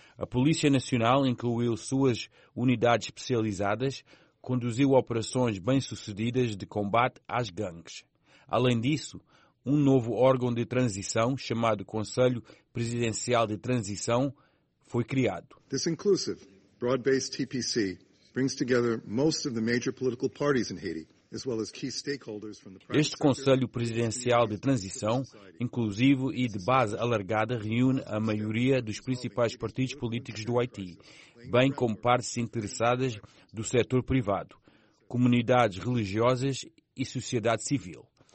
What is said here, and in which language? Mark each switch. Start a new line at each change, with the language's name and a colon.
Portuguese: A Polícia Nacional incluiu suas unidades especializadas, conduziu operações bem-sucedidas de combate às gangues. Além disso, um novo órgão de transição, chamado Conselho Presidencial de Transição, foi criado.
English: This inclusive, broad-based TPC brings together most of the major political parties in Haiti, as well as key stakeholders from the private
Portuguese: sector. Este Conselho Presidencial de Transição, inclusivo e de base alargada, reúne a maioria dos principais partidos políticos do Haiti, bem como partes interessadas do setor privado, comunidades religiosas e sociedade civil.